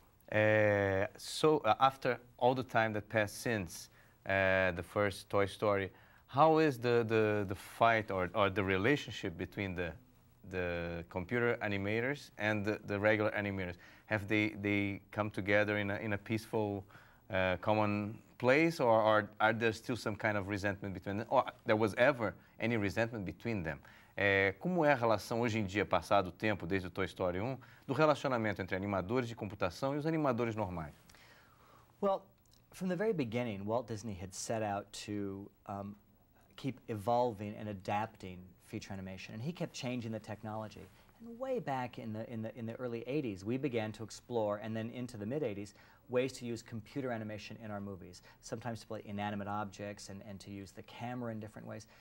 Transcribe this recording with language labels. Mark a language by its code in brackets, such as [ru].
[en] After all the time that passed since the first Toy Story, how is the fight or the relationship between the computer animators and the regular animators? Have they come together in a peaceful common place, or are there still some kind of resentment between them? Or there was ever any resentment between them? [pt] É, como é a relação hoje em dia, passado o tempo, desde o Toy Story 1, do relacionamento entre animadores de computação e os animadores normais? [en] Well, from the very beginning, Walt Disney had set out to keep evolving and adapting feature animation, and he kept changing the technology. And way back in the early 80s, we began to explore, and then into the mid 80s, ways to use computer animation in our movies, sometimes to play inanimate objects and to use the camera in different ways.